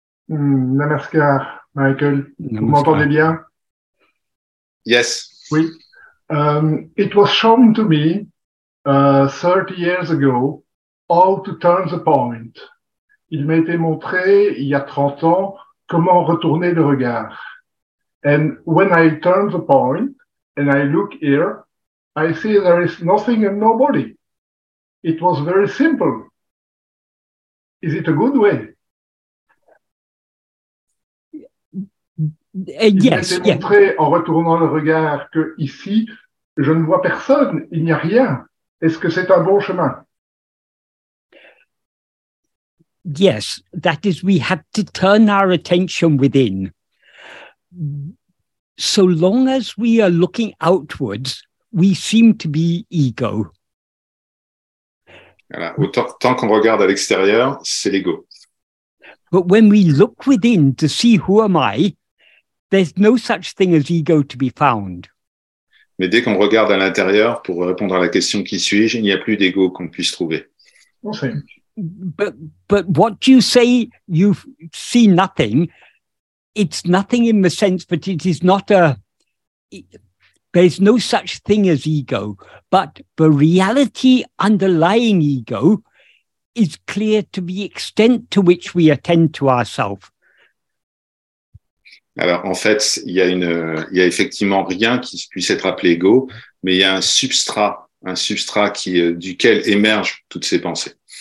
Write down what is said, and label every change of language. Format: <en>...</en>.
<fr>Namaskar, Michael. Namaskar. Vous m'entendez bien?</fr> <en>Yes.</en> <fr>Oui.</fr> <en>It was shown to me 30 years ago how to turn the point.</en> <fr>Il m'a été montré il y a 30 ans comment retourner le regard.</fr> <en>And when I turn the point and I look here, I see there is nothing and nobody. It was very simple. Is it a good way? Yes.</en> <fr>Il m'a montré en retournant le regard que ici, je ne vois personne, il n'y a rien. Est-ce que c'est un bon chemin?</fr> <en>Yes, that is, we have to turn our attention within. So long as we are looking outwards, we seem to be ego.</en> <fr>Voilà. Tant qu'on regarde à l'extérieur, c'est l'ego.</fr> <en>But when we look within to see who am I, there's no such thing as ego to be found.</en> <fr>Mais dès qu'on regarde à l'intérieur, pour répondre à la question qui suis-je, il n'y a plus d'ego qu'on puisse trouver. Enfin.</fr> <en>But what you say, you see nothing. It's nothing in the sense, but it is not a, there's no such thing as ego, but the reality underlying ego is clear to the extent to which we attend to ourselves.</en> <fr>Alors, en fait, il y a effectivement rien qui puisse être appelé ego, mais il y a un substrat qui, duquel émergent toutes ces pensées.</fr>